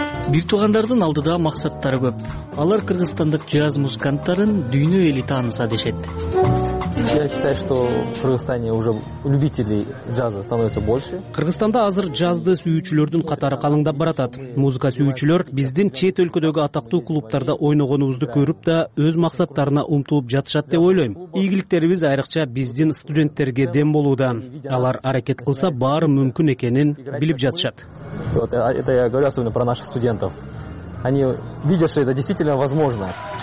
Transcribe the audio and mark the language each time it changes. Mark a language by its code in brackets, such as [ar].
[ky] Бир туугандардын алдыда максаттары көп. Алар кыргызстандык джаз музыканттарын дүйнө эли тааныса дешет. [ru] Я считаю, что в Кыргызстане уже любителей джаза становится больше. [ky] Кыргызстанда азыр джазды сүйүүчүлөрдүн катары калыңдап баратат. Музыка сүйүүчүлөр биздин чет өлкөдөгү атактуу клубтарда ойногонубузду көрүп да өз максаттарына умтулуп жатышат деп ойлойм. Ийгиликтерибиз айрыкча биздин студенттерге дем болууда. Алар аракет кылса баары мүмкүн экенин билип жатышат. [ru] Вот это я говорю особенно про наших студентов. Они видят, что это действительно возможно.